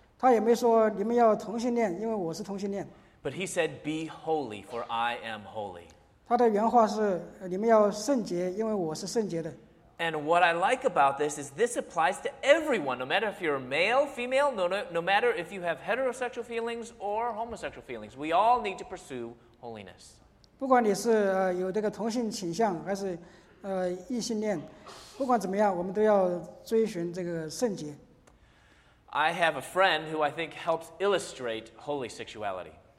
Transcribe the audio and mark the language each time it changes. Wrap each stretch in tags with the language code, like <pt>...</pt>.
<zh>他也没说, 你们要同性恋, 因为我是同性恋。</zh> <en>But he said, "Be holy, for I am holy."</en> <zh>他的原话是, 你们要圣洁, 因为我是圣洁的。</zh> <en>And what I like about this applies to everyone, no matter if you're male, female, no matter if you have heterosexual feelings or homosexual feelings. We all need to pursue holiness.</en> <zh>不管你是, 有这个同性倾向, 还是, 异性恋, 不管怎么样, 我们都要追寻这个圣洁。</zh> <en>I have a friend who I think helps illustrate holy sexuality.</en>